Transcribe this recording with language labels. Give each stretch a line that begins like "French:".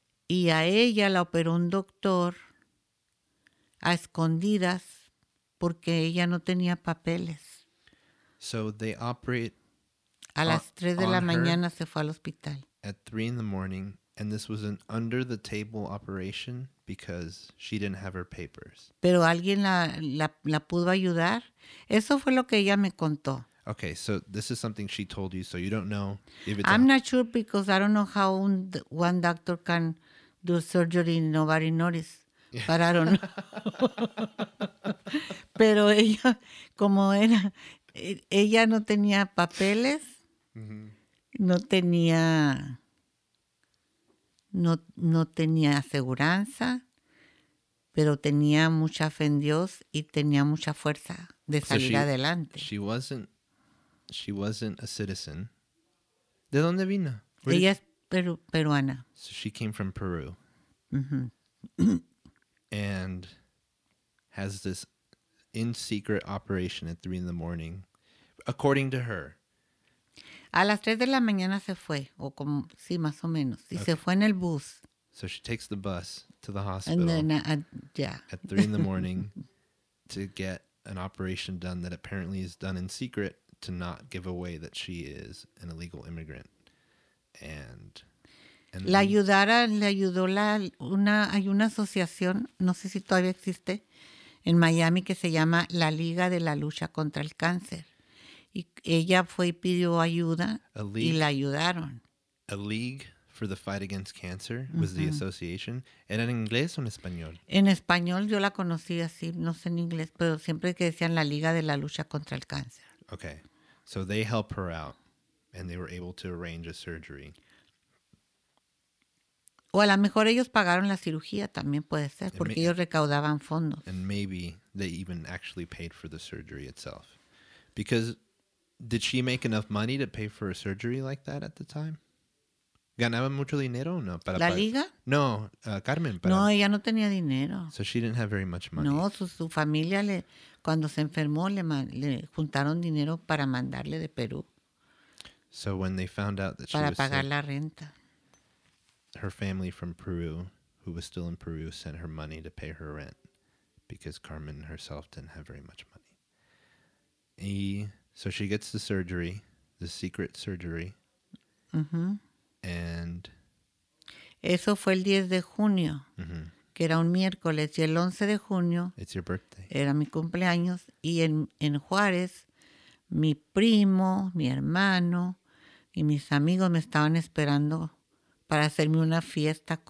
Spanish: Y a ella la operó un doctor a escondidas porque ella no tenía papeles.
English: So they operate...
Spanish: A las 3 de la mañana se fue al hospital.
English: At 3 in the morning... And this was an under-the-table operation because she didn't have her papers.
Spanish: Pero alguien la pudo ayudar. Eso fue lo que ella me contó.
English: Okay, so this is something she told you, so you don't know if it's... I'm not sure because I don't know how one doctor can do surgery and nobody notice. Yeah. But I don't know.
Spanish: Pero ella, como era, ella no tenía papeles, no tenía, no tenía aseguranza, pero tenía mucha fe en Dios y tenía mucha fuerza de salir adelante.
English: She wasn't a citizen.
Spanish: ¿De dónde vino? Ella es peruana.
English: So she came from Peru. And has this in secret operation at 3 a.m, according to her.
Spanish: A las 3 a.m. se fue, o como, sí, más o menos. Y okay. Se fue en el bus.
English: So she takes the bus to the hospital. At 3 a.m. to get an operation done that apparently is done in secret to not give away that she is an illegal immigrant. And
Spanish: la ayudaron, le ayudó hay una asociación, no sé si todavía existe, en Miami, que se llama La Liga de la Lucha contra el Cáncer. Y ella fue y pidió ayuda y la ayudaron.
English: A League for the Fight Against Cancer was the association.
Spanish: ¿Era en inglés o en español? En español, yo la conocí así, no sé en inglés, pero siempre que decían La Liga de la Lucha contra el Cáncer.
English: Okay, so they help her out and they were able to arrange a surgery.
Spanish: O a lo mejor ellos pagaron la cirugía, también puede ser, porque ellos recaudaban fondos.
English: And maybe they even actually paid for the surgery itself. Because did she make enough money to pay for a surgery like that at the time?
Spanish: ¿Ganaba mucho dinero o no? ¿La liga? No, Carmen. No, ella no tenía dinero.
English: So she didn't have very much money.
Spanish: No, su familia, cuando se enfermó, le juntaron dinero para mandarle de Perú.
English: So when they found out that she
Spanish: para pagar la renta.
English: Her family from Peru, who was still in Peru, sent her money to pay her rent because Carmen herself didn't have very much money. So she gets the surgery, the secret surgery. And
Spanish: eso fue el 10 de junio, que era un miércoles, y el 11 de junio
English: it's your birthday.
Spanish: Era mi cumpleaños, y en Juárez mi primo, mi hermano y mis amigos me estaban esperando para hacerme una fiesta.